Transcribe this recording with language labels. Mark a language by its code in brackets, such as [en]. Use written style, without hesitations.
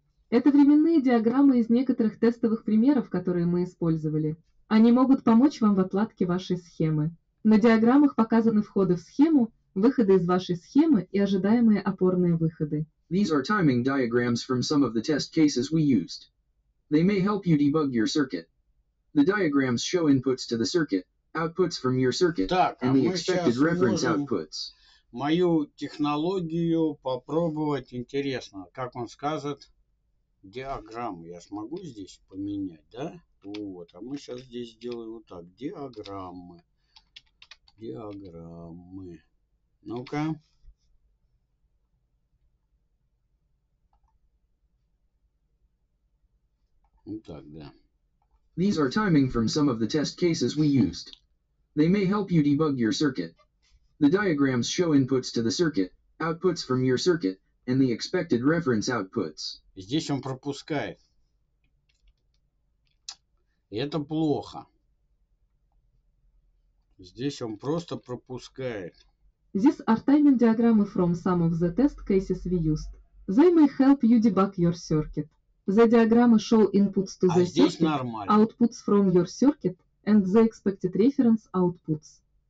[ru] Это временные диаграммы из некоторых тестовых примеров, которые мы использовали. Они могут помочь вам в отладке вашей схемы. На диаграммах показаны входы в схему, выходы из вашей схемы и ожидаемые опорные выходы. [en] These are timing diagrams from some of the test cases we used. They may help you debug your circuit. The diagrams show inputs to the circuit, outputs from your circuit, [ru] так, [en] and the [ru] мы [en] expected reference outputs. [ru] Мою технологию попробовать интересно. Как он скажет, диаграмму. Я смогу здесь поменять, да? Вот, а мы сейчас здесь делаем вот так. Диаграммы. Диаграммы. Ну-ка. Вот так, да. [en] These are timing from some of the test cases we used. They may help you debug your circuit. The diagrams show inputs to the circuit, outputs from your circuit, and the expected reference outputs. [ru] Здесь он пропускает. Это плохо. Здесь он просто пропускает. [en] This are timing diagrams from some of the test cases we used. They may help you debug your circuit. The diagrams show inputs to the circuit, [ru] нормально. [en] Outputs from your circuit, and the expected reference outputs.